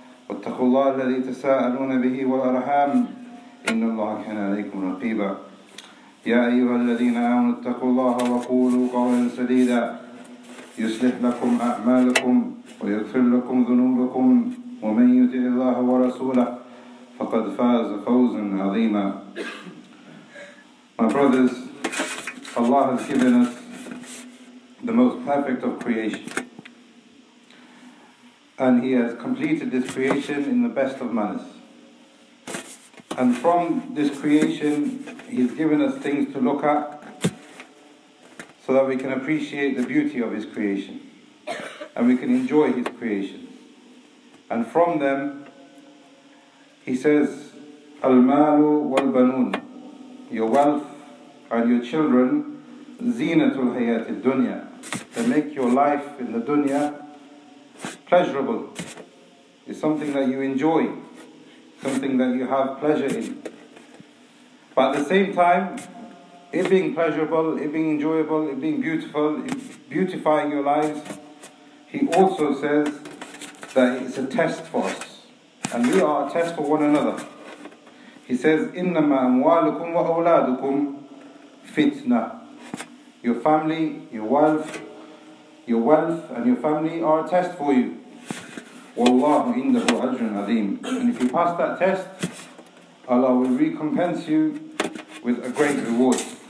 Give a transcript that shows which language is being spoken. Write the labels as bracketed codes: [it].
[ar] واتقوا الله الذي تساءلون به والأرحام إن الله كان عليكم رقيبا يا أيها الذين آمنوا اتقوا الله وقولوا قولا سديدا يصلح لكم أعمالكم ويغفر لكم ذنوبكم ومن يطع الله ورسوله فقد فاز فوزا عظيما. [en] My brothers, Allah has given us the most perfect of creation, and He has completed this creation in the best of manners. And from this creation, He's given us things to look at so that we can appreciate the beauty of His creation and we can enjoy His creation. And from them, He says, [ar] Al-malu wal-banun, [en] your wealth and your children, [ar] zinatul hayati dunya, [en] they make your life in the dunya pleasurable. It's something that you enjoy, something that you have pleasure in. But at the same time, it being pleasurable, it being enjoyable, it being beautiful, it beautifying your lives, He also says that it's a test for us. And we are a test for one another. He says, [ar] إِنَّمَا أَمْوَالُكُمْ وَأَوْلَادُكُمْ فِتْنَةً. [en] Your family, your wealth and your family are a test for you. [ar] وَاللَّهُ إِنَّهُ أَجْرٌ عَظِيمٌ. [en] And if you pass that test, Allah will recompense you with a great reward.